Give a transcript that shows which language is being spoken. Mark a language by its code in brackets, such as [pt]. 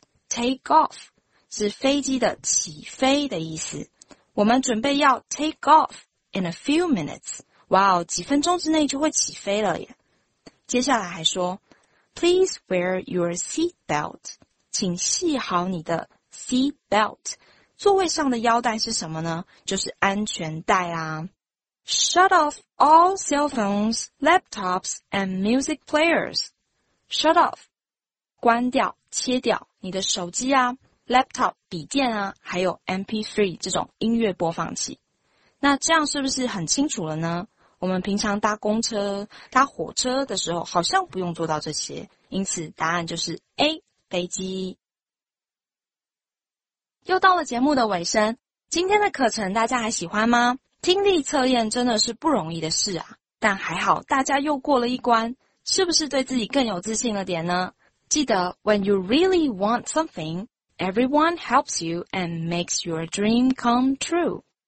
[zh] Take off 是飞机的起飞的意思，我们准备要 [en] take off in a few minutes。 [zh] 哇哦，几分钟之内就会起飞了耶。接下来还说 [en] Please wear your seatbelt, [zh] 请系好你的 seatbelt。座位上的腰带是什么呢？就是安全带啦。 [en] Shut off all cell phones, laptops, and music players. [zh] Shut off, 关掉切掉你的手机啊， laptop 笔电啊，还有 MP3 这种音乐播放器。那这样是不是很清楚了呢？我们平常搭公车、搭火车的时候好像不用做到这些，因此答案就是 A, 飞机。又到了节目的尾声，今天的课程大家还喜欢吗？听力测验真的是不容易的事啊，但还好大家又过了一关，是不是对自己更有自信了点呢？记得 [en] When you really want something, everyone helps you and makes your dream come true.